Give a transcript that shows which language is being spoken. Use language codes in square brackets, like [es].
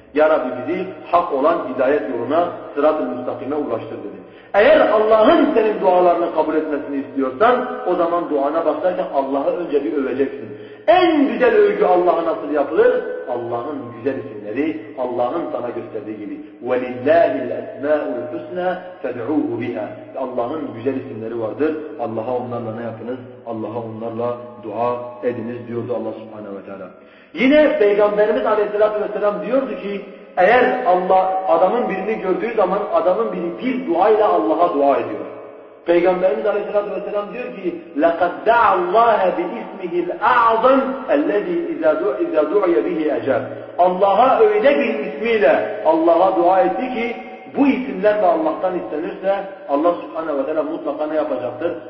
[tr] Ya Rabbi bizi hak olan hidayet yoluna, sıratı müstakime ulaştır dedin. Eğer Allah'ın senin dualarını kabul etmesini istiyorsan, o zaman duana başlarken Allah'ı önce bir öveceksin. En güzel övgü Allah'a nasıl yapılır? Allah'ın güzel isimleri, Allah'ın sana gösterdiği gibi. [ar] وَلِلَّهِ الْاَسْمَاءُ الْحُسْنَى فَدْعُوهُ بِهَا [tr] Allah'ın güzel isimleri vardır. Allah'a onlarla ne yapınız? Allah'a onlarla dua ediniz diyordu Allah subhanehu ve teala. Yine Peygamberimiz aleyhissalatü vesselam diyordu ki, eğer Allah adamın birini gördüğü zaman adamın biri bir duayla Allah'a dua ediyor. Peygamberimiz aleyhissalatü vesselam diyor ki [ar] لَقَدْ دَعَ اللّٰهَ بِاِسْمِهِ الْاَعْظَمْ اَلَّذ۪ي اِذَا دُعْيَ بِهِ اَجَرْ [tr] Allah'a öyle bir ismiyle Allah'a dua etti ki bu isimlerle Allah'tan istenirse Allah subhanehu ve teala mutlaka ne yapacaktır?